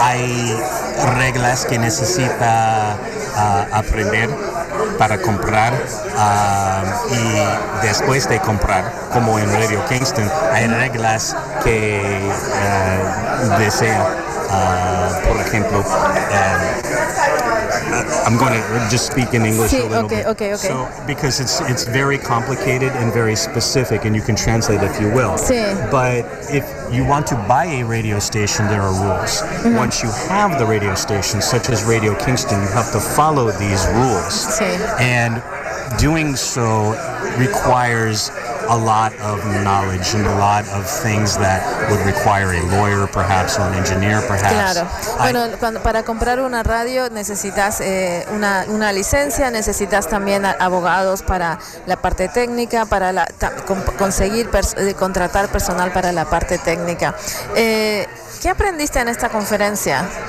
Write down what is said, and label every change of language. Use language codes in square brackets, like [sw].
[es] Hay reglas que necesita aprender para comprar y después de comprar, como en Radio Kingston, hay reglas que desea, por ejemplo, [en] I'm going to just speak in English a little bit. Okay. So, because it's very complicated and very specific, and you can translate if you will. [es] Sí. [en] But if you want to buy a radio station, there are rules. Mm-hmm. Once you have the radio station, such as Radio Kingston, you have to follow these rules. [es] Sí. [en] And doing so requires a lot of knowledge and a lot of things that would require a lawyer, perhaps, or an engineer, perhaps. [es] Claro. Bueno, para comprar una radio necesitas una licencia, necesitas también abogados para la parte técnica, para contratar personal para la parte técnica. ¿Qué aprendiste en esta conferencia?